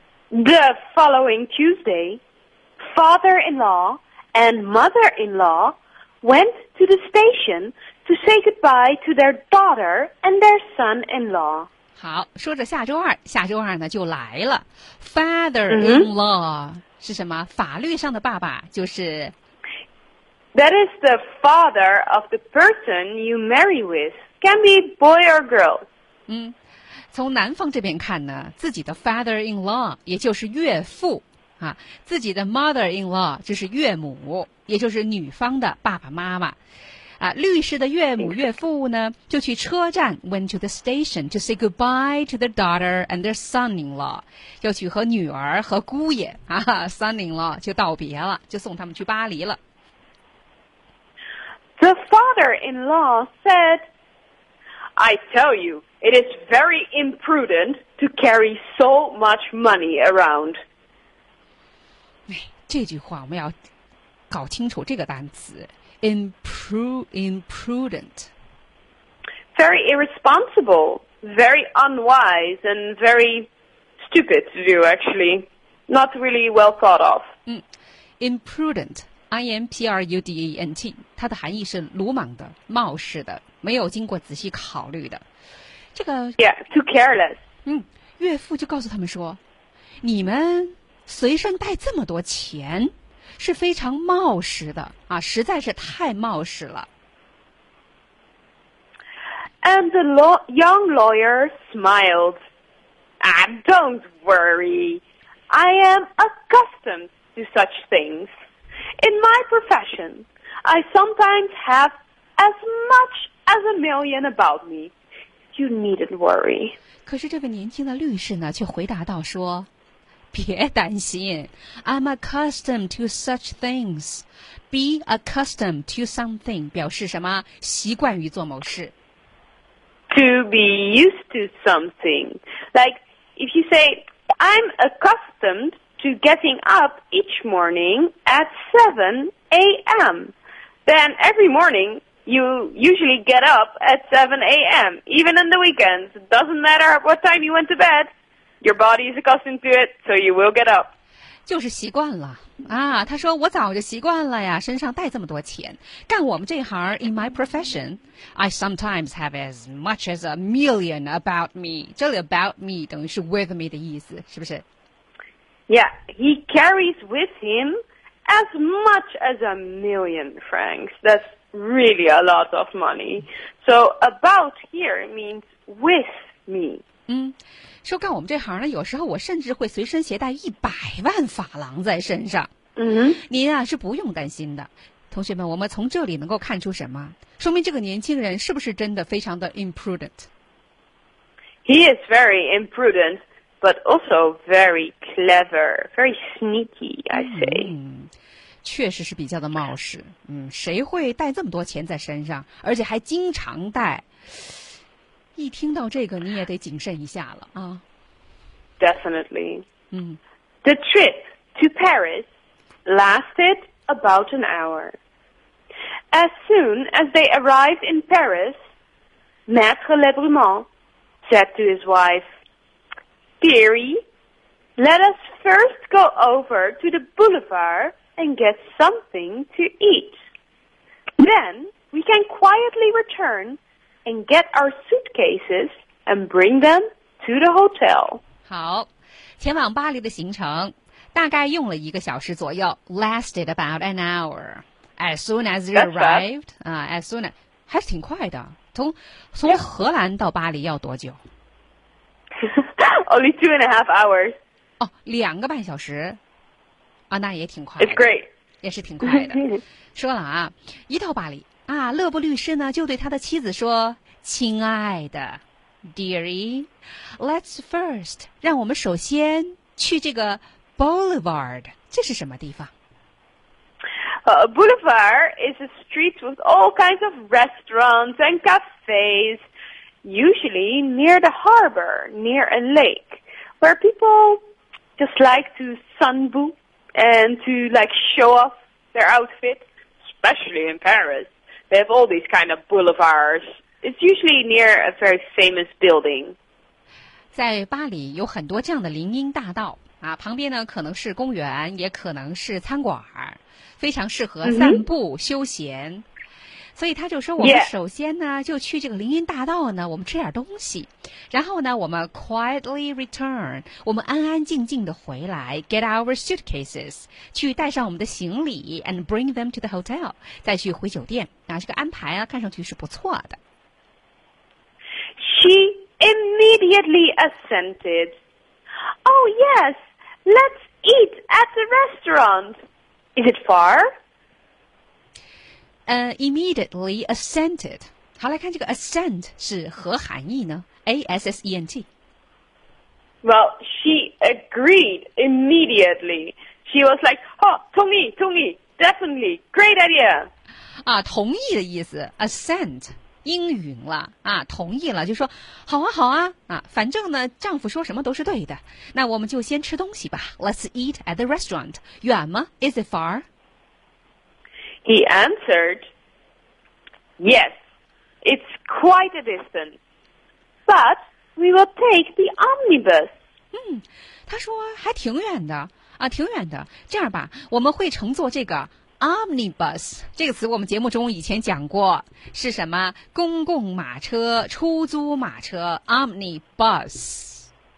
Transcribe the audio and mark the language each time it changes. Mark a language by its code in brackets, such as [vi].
[en] The following Tuesday, father-in-law and mother-in-law went to the station to say goodbye to their daughter and their son-in-law. [zh] 好，说着下周二，下周二呢就来了。Father-in-law、mm-hmm. 是什么？法律上的爸爸就是。 [en] That is the father of the person you marry with. Can be boy or girl. 嗯。 [zh] 从男方这边看呢，自己的 father-in-law 也就是岳父啊，自己的 mother-in-law 就是岳母，也就是女方的爸爸妈妈啊。律师的岳母岳父呢就去车站 [en] went to the station to say goodbye to the daughter and their son-in-law， [zh] 就去和女儿和姑爷啊 son-in-law 就道别了，就送他们去巴黎了。 [en] The father-in-law said I tell youIt is very imprudent to carry so much money around. [zh] 这句话我们要搞清楚这个单词 imprudent. [en] Very irresponsible, very unwise, and very stupid to do, actually. Not really well thought of. [zh] Imprudent, I-M-P-R-U-D-E-N-T, 它的含义是鲁莽的、冒失的、没有经过仔细考虑的。这个 [en] yeah, too careless. [zh] 岳父就告诉他们说，你们随身带这么多钱是非常冒失的啊，实在是太冒失了。 [en] And the young lawyer smiled. And don't worry, I am accustomed to such things. In my profession, I sometimes have as much as a million about meYou needn't worry. [zh] 可是这位年轻的律师呢却回答道说，别担心， [en] I'm accustomed to such things. Be accustomed to something [zh] 表示什么？习惯于做某事。 [en] To be used to something. Like if you say I'm accustomed to getting up each morning at 7 a.m. Then every morning you usually get up at 7 a.m., even on the weekends. It doesn't matter what time you went to bed. Your body is accustomed to it, so you will get up. [zh] 就是习惯了。啊，他说我早就习惯了呀，身上带这么多钱，干我们这行 ， [en] in my profession, I sometimes have as much as a million about me. [zh] 这里 about me 等于是 with me 的意思，是不是 [en] ？Yeah, he carries with him as much as a million francs. That's really a lot of money. So about here means with me. [zh] 说干我们这行呢，有时候我甚至会随身携带100万法郎在身上。您啊是不用担心的，同学们，我们从这里能够看出什么？说明这个年轻人是不是真的非常的 imprudent？ [en] He is very imprudent, but also very clever, very sneaky, I say. [zh] 确实是比较的冒失。谁会带这么多钱在身上，而且还经常带？一听到这个，你也得谨慎一下了啊。 [en] Definitely. The trip to Paris lasted about an hour. As soon as they arrived in Paris, Maître Lebrumont said to his wife, "Dearie, let us first go over to the boulevard and get something to eat. Then we can quietly return. And get our suitcases and bring them to the hotel. [zh] 好，前往巴黎的行程大概用了一个小时左右 ， [en] lasted about an hour. As soon as they arrived, as soon as [zh] 还是挺快的。从荷兰到巴黎要多久 [en] ？Only 2.5 hours. [zh] 哦，两个半小时啊，那也挺快。 [en] It's great. [zh] 也是挺快的。说了啊，一到巴黎。啊，勒布律师呢就对他的妻子说：“亲爱的 ，dearie， [en] let's first [zh] 让我们首先去这个 boulevard， 这是什么地方 [en] ？Boulevard is a street with all kinds of restaurants and cafes, usually near the harbor, near a lake, where people just like to sunboo and to like show off their outfit, especially in Paris.” They have all these kind of boulevards. It's usually near a very famous building. [zh] 在巴黎有很多这样的林荫大道啊，旁边呢可能是公园，也可能是餐馆，非常适合散步休闲。所以他就说，我们首先呢就去这个林荫大道呢，我们吃点东西，然后呢我们 [en] quietly return， [zh] 我们安安静静的回来 ， [en] get our suitcases， [zh] 去带上我们的行李 ， [en] and bring them to the hotel， [zh] 再去回酒店。啊，这个安排啊，看上去是不错的。 [en] She immediately assented. Oh yes, let's eat at the restaurant. Is it far? Immediately assented. [zh] 好，来看这个 assent 是何含义呢 ？Assent. [en] Well, she agreed immediately. She was like, "Oh, [zh] 同意，同意 [en] ，definitely, great idea." [zh] 啊，同意的意思 ，assent， 应允了啊，同意了，就说好啊，好啊，啊，反正呢，丈夫说什么都是对的。那我们就先吃东西吧。 [en] Let's eat at the restaurant. [zh] 远吗 [en] ？Is it far? He answered, "Yes, it's quite a distance, but we will take the omnibus." [zh] 他说还挺远的啊，挺远的。这样吧，我们会乘坐这个 omnibus 这个词，我们节目中以前讲过是什么？公共马车、出租马车 omnibus.